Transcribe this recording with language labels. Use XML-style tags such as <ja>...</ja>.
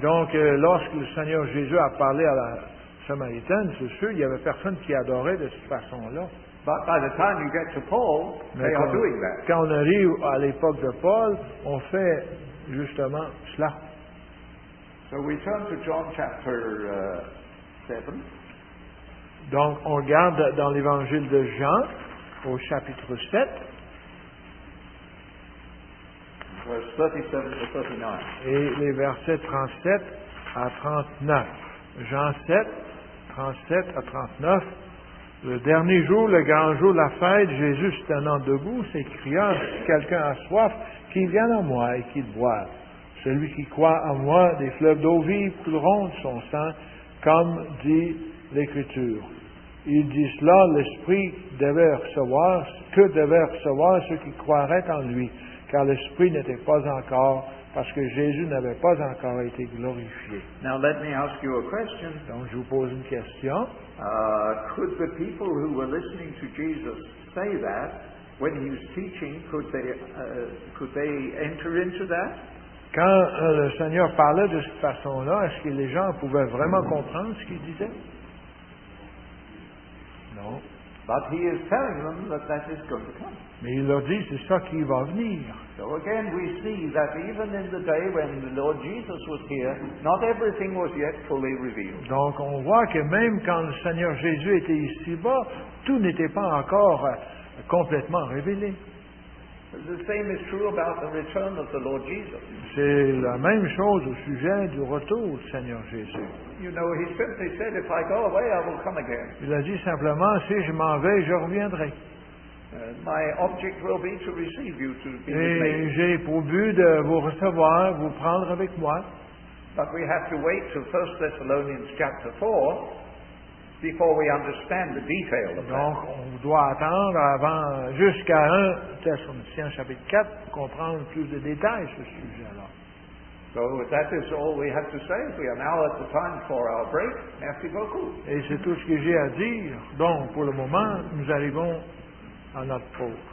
<fr>Donc, lorsque le Seigneur Jésus a parlé à la Samaritaine, c'est sûr, il n'y avait personne qui adorait de cette façon-là.</fr> <en>But by the time you get to Paul,</en> <fr>mais</fr> <en>they are doing that.</en> <fr>Quand on arrive à l'époque de Paul, on fait justement cela.</fr> <en>So we turn to John chapter 7.</en> <fr>Donc, on regarde dans l'évangile de Jean, au chapitre 7.</fr> <en>Verse 37 to 39.</en> <fr>Et les versets 37 à 39. Jean 7, 37 à 39. Le dernier jour, le grand jour, la fête, Jésus se tenant debout, s'écria, si quelqu'un a soif, qu'il vienne à moi et qu'il boive. Celui qui croit en moi, des fleuves d'eau vive couleront de son sein, comme dit l'Écriture. Il dit cela, l'Esprit devait recevoir, que devait recevoir ceux qui croiraient en lui, car l'Esprit n'était pas encore, parce que Jésus n'avait pas encore été glorifié.</fr> <en>Now let me ask you a question.</en> <fr>Donc je vous pose une question.</fr> <en>Could the people who were listening to Jesus say that when he was teaching, could they enter into that?</en> <fr>Quand le Seigneur parlait de cette façon-là, est-ce que les gens pouvaient vraiment comprendre ce qu'il disait? Non.</fr> <en>But he is telling them that that is going to come.</en> <fr>Mais il leur dit, c'est ça qui va venir.</fr> <en>So again, we see that even in the day when the Lord Jesus was here, not everything was yet fully revealed.</en> <fr>Donc on voit que même quand le Seigneur Jésus était ici-bas, tout n'était pas encore complètement révélé.</fr> <en>The same is true about the return of the Lord Jesus.</en> <fr>C'est la même chose au sujet du retour du Seigneur Jésus.</fr> <en>You know, he simply said, if I go away, I will come again.</en> <fr>Il a dit simplement, si je m'en vais, je reviendrai.</fr> <en>My object will be to receive you to be with me.</en> <fr>Et j'ai pour but de vous recevoir, vous prendre avec moi.</fr> <en>But we have to wait till 1 Thessalonians chapter 4 before we understand the detail of that.</en> <fr>Donc on doit attendre avant jusqu'à 1 Thessaloniciens chapitre 4 pour comprendre plus de détails sur ce sujet-là.</fr> <en>So that is all we have to say. We are now at the time for our break.</en> <fr>Merci beaucoup. Et c'est tout ce que j'ai à dire. Donc pour le moment, nous arrivons à notre pause.</fr>